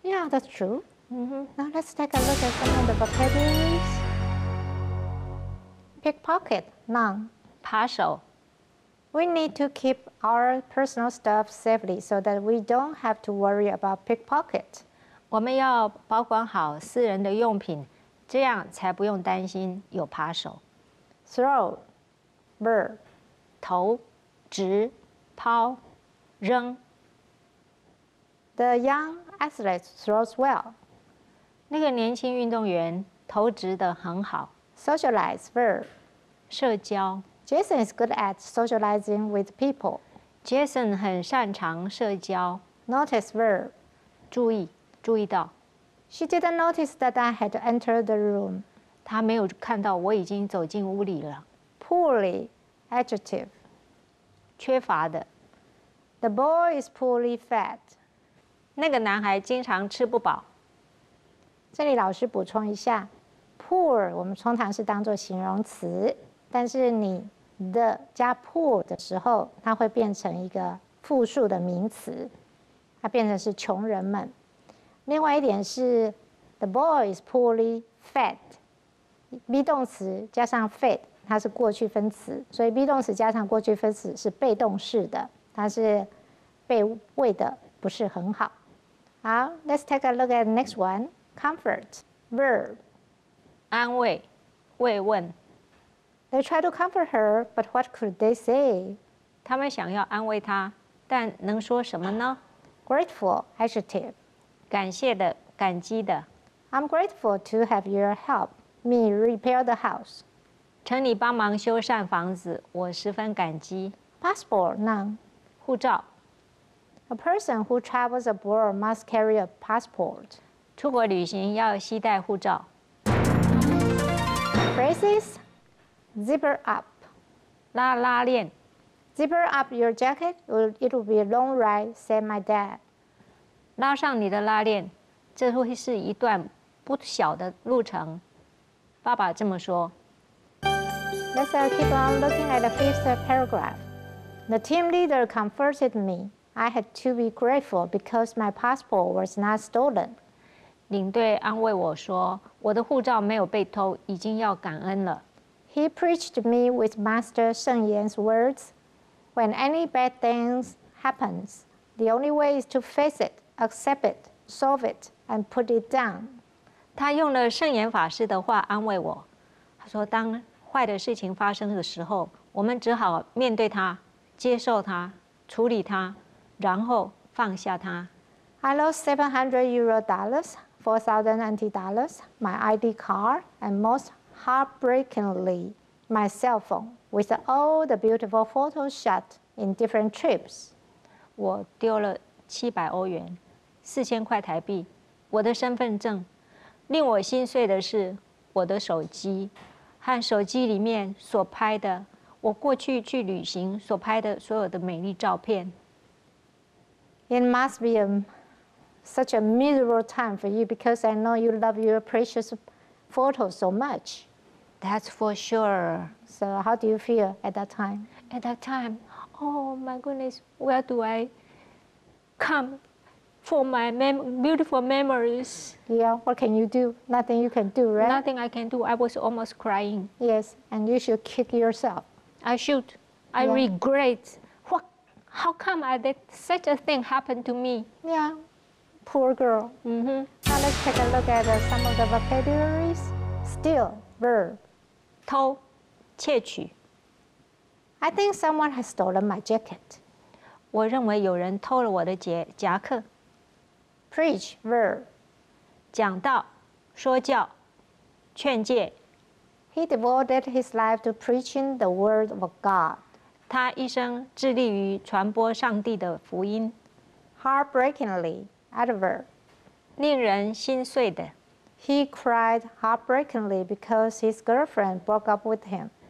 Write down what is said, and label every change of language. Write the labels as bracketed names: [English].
[English] Yeah, that's true. Mm-hmm. Now let's take a look at some of the vocabularies. Pickpocket, noun. [Chinese] 扒手 [English] We need to keep our personal stuff safely so that we don't have to worry about pickpocket. [Chinese] 我们要保管好私人的用品这样才不用担心有扒手。 [English] Throw, verb, [Chinese] 投、掷、抛、扔。 [English] The young athlete throws well. [Chinese] 那个年轻运动员投掷得很好。 [English] Socialize, verb, [Chinese] 社交。 [English] Jason is good at socializing with people. [Chinese] Jason 很擅长社交。 [English] Notice verb. [Chinese] 注意到。 [English] She didn't notice that I had entered the room. [Chinese] 她没有看到我已经走进屋里了。 [English] Poorly. Adjective. [Chinese] 缺乏的。 [English] The boy is poorly fed. [Chinese] 那个男孩经常吃不饱。这里老师补充一下， poor 我们通常是当作形容词， 但是你 the 加 poor 的时候， 它会变成一个复数的名词， 它变成是穷人们。另外一点是， [English] the boy is poorly fed， [Chinese] be 动词加上 fed， 它是过去分词， 所以 be 动词加上过去分词是被动式的， 它是被喂的不是很好。 [English] 好， let's take a look at the next one。Comfort, verb. [Chinese] 安慰, 慰问。 [English] They tried to comfort her, but what could they say? [Chinese] 他们想要安慰她, 但能说什么呢? [English] Grateful, adjective. [Chinese] 感谢的, 感激的。 [English] I'm grateful to have your help, me repair the house. [Chinese] 请你帮忙修缮房子, 我十分感激。 [English] Passport, none. [Chinese] 护照。 [English] A person who travels abroad must carry a passport. [Chinese] 出国旅行要携带护照。 [English] Phrases. Zipper up. [Chinese] 拉链。 [English] Zipper up your jacket, it will be a long ride, said my dad. [Chinese] 拉上你的拉链, 这会是一段不小的路程。爸爸这么说。 [English] Let's keep on looking at the fifth paragraph. The team leader comforted me. I had to be grateful because my passport was not stolen. [Chinese] 领队安慰我说, 我的护照没有被偷, 已经要感恩了。 [English] He preached me with Master Sheng Yan's words, when any bad things happens, the only way is to face it, accept it, solve it, and put it down. [Chinese] 他用了圣严法师的话安慰我, 他说当坏的事情发生的时候, 我们只好面对它, 接受它, 处理它, 然后放下它。 [English] I lost 700 euro dollars, 4,000 NT dollars, my ID card, and most heartbreakingly, my cell phone, with all the beautiful photos shot in different trips. [Chinese] 我丢了700欧元, 4000块台币, 我的身份证, 令我心碎的是, 我的手机, 和手机里面所拍的, 我过去去旅行所拍的所有的美丽照片。 [English] It must be such a miserable time for you because I know you love your precious photos so much. That's for sure. So how do you feel at that time? At that time, oh my goodness, where do I come for my beautiful memories? Yeah, what can you do? Nothing you can do, right? Nothing I can do. I was almost crying. Yes, and you should kick yourself. I should. I regret. How come I did such a thing happen to me? Yeah, poor girl. Mm-hmm. Now let's take a look at some of the vocabularies. Steal, verb. [Chinese] 偷, 窃取. [English] I think someone has stolen my jacket. [Chinese] 我认为有人偷了我的夹克. [English] Preach, verb. [Chinese] 讲道, 说教, 劝诫. [English] He devoted his life to preaching the word of God. [Chinese] 他一生致力于传播上帝的福音。 [English] Heartbreakingly, adverb. [Chinese] 令人心碎的。 [English] He cried heartbreakingly because his girlfriend broke up with him.